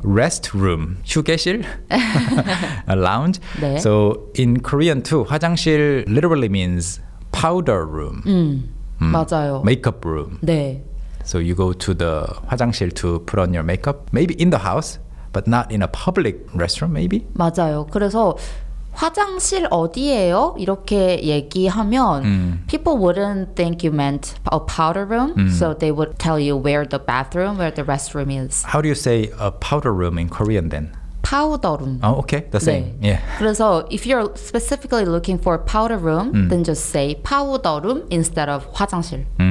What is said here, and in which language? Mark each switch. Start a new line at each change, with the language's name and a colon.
English: Restroom. 휴게실. A lounge.
Korean: 네.
English: So in Korean too, 화장실 literally means powder room.
Korean: 맞아요.
English: Makeup room.
Korean: 네.
English: So you go to the 화장실 to put on your makeup, maybe in the house, but not in a public restroom, maybe?
Korean: 맞아요. 그래서 화장실 어디예요? 이렇게 얘기하면
English: people wouldn't think you meant a powder room, so they would tell you where the bathroom, where the restroom is. How do you say a powder room in Korean then?
Korean: 파우더룸.
English: Okay, the same.
Korean: 네.
English: Yeah. 그래서 if you're specifically looking for powder room, then just say 파우더룸 instead of 화장실.